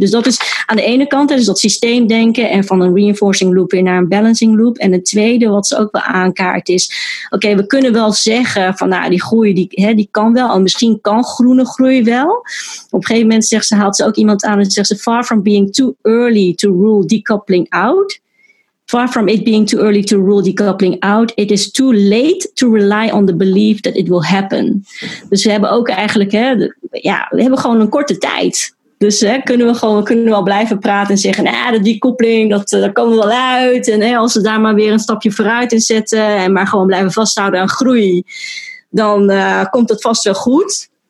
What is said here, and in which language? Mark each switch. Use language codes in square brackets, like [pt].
[nl] Dus dat is aan de ene kant, dus dat systeemdenken en van een reinforcing loop weer naar een balancing loop. En het tweede wat ze ook wel aankaart is, oké, we kunnen wel zeggen van die groei die kan wel, en misschien kan groene groei wel. Op een gegeven moment haalt ze ook iemand aan en zegt ze, [en] far from being too early to rule decoupling out. Far from it being too early to rule decoupling out, it is too late to rely on the belief that it will happen. [nl] Dus we hebben ook eigenlijk, we hebben gewoon een korte tijd. Dus kunnen we al blijven praten en zeggen, nou, de decoupling, dat komen we wel uit. En als we daar maar weer een stapje vooruit in zetten en maar gewoon blijven vasthouden aan groei, dan komt het vast wel goed.